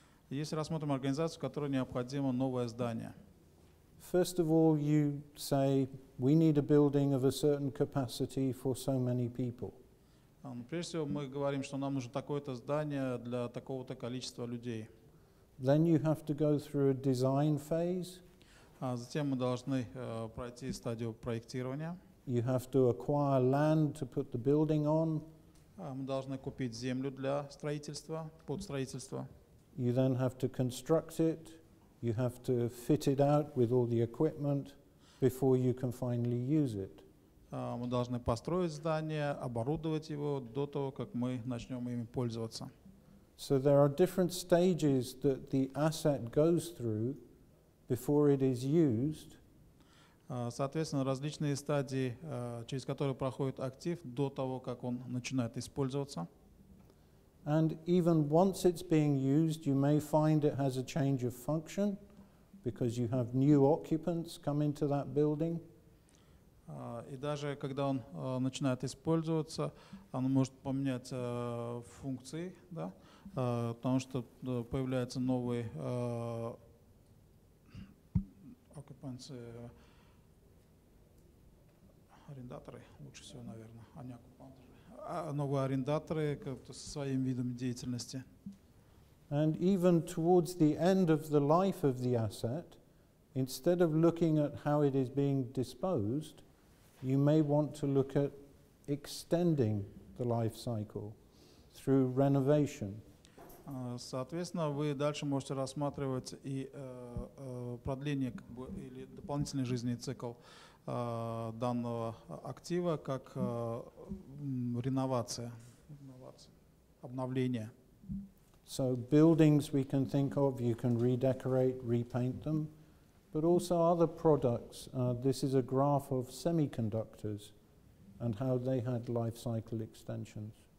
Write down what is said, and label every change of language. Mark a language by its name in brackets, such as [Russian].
[Russian] Если рассмотрим организацию, которой необходимо новое здание. [English] First of all, you say we need a building of a certain capacity for so many people. [Russian] Прежде всего, мы говорим, что нам нужно такое-то здание для такого-то количества людей. [English] Then you have to go through a design phase. [Russian] Затем мы должны пройти стадию проектирования. [English] You have to acquire land to put the building on. [Russian] Мы должны купить землю для строительства, под строительство. [English] You then have to construct it. You have to fit it out with all the equipment before you can finally use it. [Russian] Мы должны построить здание, оборудовать его до того, как мы начнем ими пользоваться. [English] So there are different stages that the asset goes through before it is used. [Russian] Соответственно, различные стадии, через которые проходит актив до того, как он начинает использоваться. [English] And even once it's being used, you may find it has a change of function because you have new occupants come into that building. [Russian] И даже когда он начинает использоваться, он может поменять функции, да? Потому что появляются новые оккупанты, арендаторы, лучше всего, наверное, а не оккупанты, новые арендаторы как-то со своим видом деятельности. [English] And even towards the end of the life of the asset, instead of looking at how it is being disposed, you may want to look at extending the life cycle through renovation. [Russian] Соответственно, вы дальше можете рассматривать и продление как бы, или дополнительный жизненный цикл данного актива как реновация, обновление. [English] So buildings we can think of, you can redecorate, repaint them, but also other products. This is a graph of semiconductors and how they had life cycle extensions.